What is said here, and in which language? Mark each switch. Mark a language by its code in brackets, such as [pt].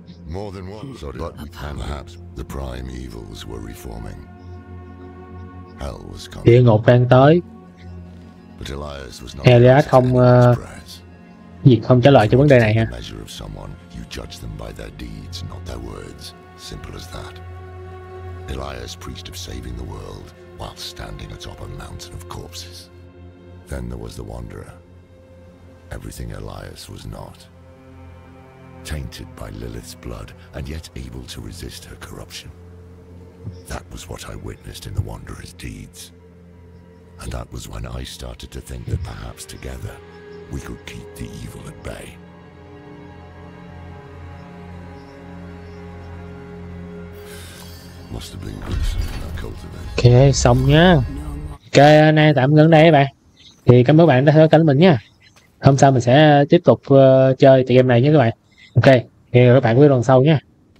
[en] More than once, but perhaps the prime evils were reforming. Hell was coming. [vi] Địa ngục đang tới. Elias không gì không trả lời cho vấn đề này hả? [en] Measure of someone, you judge them by their deeds, not their words. Simple as that. Elias, priest of saving the world, while standing atop a mountain of corpses. Then there was the wanderer. Everything Elias was not. Tainted by Lilith's blood, and yet able to resist her corruption. That was what I witnessed in the wanderer's deeds. And that was when I started to think that perhaps together we could keep the evil at bay. Must have been gruesome in that cult event. [vi] Okay, xong nha. Okay, hôm nay tạm ngưng đây các bạn. Thì cảm ơn các bạn đã theo kênh mình nha. Hôm sau mình sẽ tiếp tục chơi tựa game này nha các bạn. Ok, hẹn gặp các bạn với lần sau nha.